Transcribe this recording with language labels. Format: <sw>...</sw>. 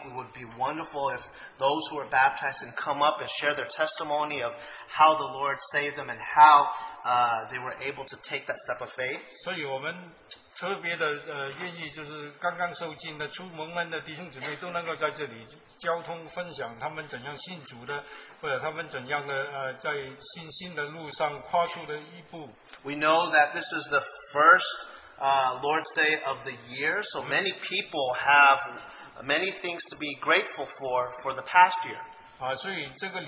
<en>It would be wonderful if those who are baptized can come up and share their testimony of how the Lord saved them and how they were able to take that step of faith.</en> <zh>所以我们特别的愿意就是刚刚受浸的出蒙恩的弟兄姊妹都能够在这里交通分享他们怎样信主的 或者他们怎样的在信心的路上跨出的一步。</zh> <en>We know that this is the first Lord's Day of the year, so many people have many things to be grateful for the past year.</en>